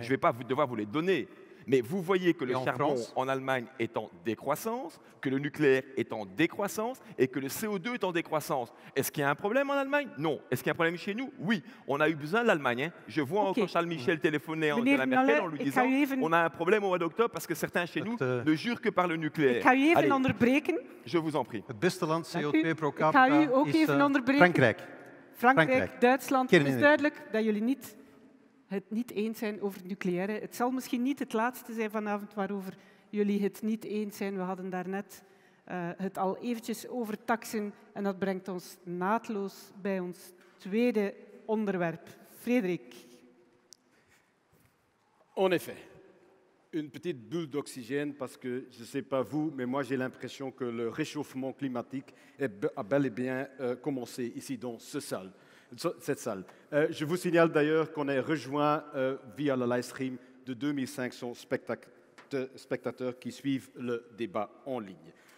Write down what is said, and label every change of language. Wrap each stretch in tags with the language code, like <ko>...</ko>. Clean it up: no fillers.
<fr>Je ne vais pas devoir vous les donner. Mais vous voyez que le charbon en Allemagne est en décroissance, que le nucléaire est en décroissance et que le CO2 est en décroissance. Est-ce qu'il y a un problème en Allemagne? Non. Est-ce qu'il y a un problème chez nous? Oui. On a eu besoin de l'Allemagne. Hein. Je vois encore Charles Michel téléphoner à Angela Merkel en lui disant on a un problème au mois d'octobre parce que certains chez nous ne jurent que par le nucléaire.</fr> <nl>Ik ga u even Allez. Onderbreken.</nl> <fr>Je vous en prie.</fr> <nl>Het beste land CO2 pro capita is Frankrijk. Frankrijk, Duitsland, het is duidelijk dat jullie het niet eens zijn over het nucleaire. Het zal misschien niet het laatste zijn vanavond waarover jullie het niet eens zijn. We hadden daarnet het al eventjes over taxen en dat brengt ons naadloos bij ons tweede onderwerp. Frederik.</nl> <fr>En effet, une petite bulle d'oxygène, parce que je ne sais pas vous, mais moi j'ai l'impression que le réchauffement climatique a bel et bien commencé ici dans cette salle. Je vous signale d'ailleurs qu'on est rejoint via le live stream de 2500 spectateurs qui suivent le débat en ligne.</fr>